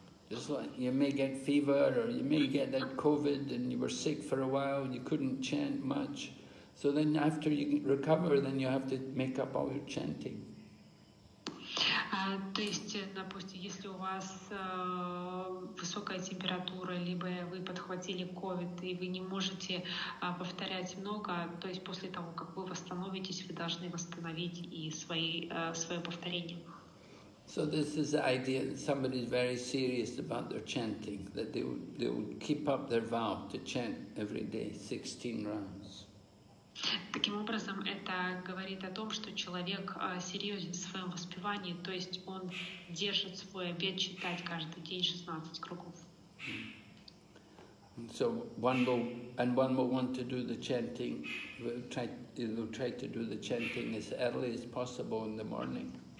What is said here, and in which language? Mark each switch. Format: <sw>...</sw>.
<en>Just like you may get fever or you may get that COVID and you were sick for a while and you couldn't chant much. So then after you recover, then you have to make up all your chanting.</en> <ru>То есть, допустим, если у вас высокая температура, либо вы подхватили COVID и вы не можете повторять много, то есть после того, как вы восстановитесь, вы должны восстановить и свое повторение.</ru> <en>So this is the idea that somebody is very serious about their chanting, that they would keep up their vow to chant every day 16 rounds.</en> <ru>Таким образом, это говорит о том, что человек серьезен в своем воспевании, то есть он держит свой обет читать каждый день 16 кругов.</ru> <en>So one will want to do the chanting, will try to do the chanting as early as possible in the morning.</en>